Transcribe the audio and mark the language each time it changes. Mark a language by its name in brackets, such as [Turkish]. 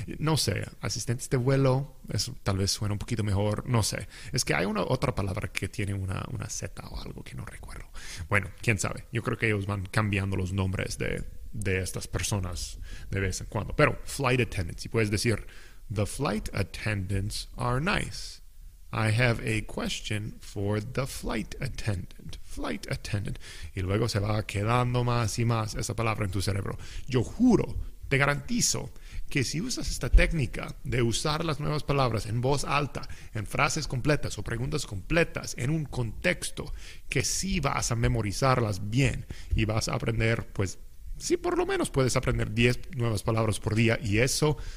[Spanish] No sé, asistentes de vuelo, eso tal vez suena un poquito mejor. No sé. Es que hay una otra palabra que tiene una Z o algo que no recuerdo. Bueno, quién sabe. Yo creo que ellos van cambiando los nombres de estas personas de vez en cuando. [English] Pero flight attendants, si puedes decir. The flight attendants are nice. I have a question for the flight attendant. Flight attendant. [Spanish] Y luego se va quedando más y más esa palabra en tu cerebro. Yo juro, te garantizo que si usas esta técnica de usar las nuevas palabras en voz alta, en frases completas o preguntas completas, en un contexto, que sí vas a memorizarlas bien y vas a aprender, pues sí, por lo menos puedes aprender 10 nuevas palabras por día y eso.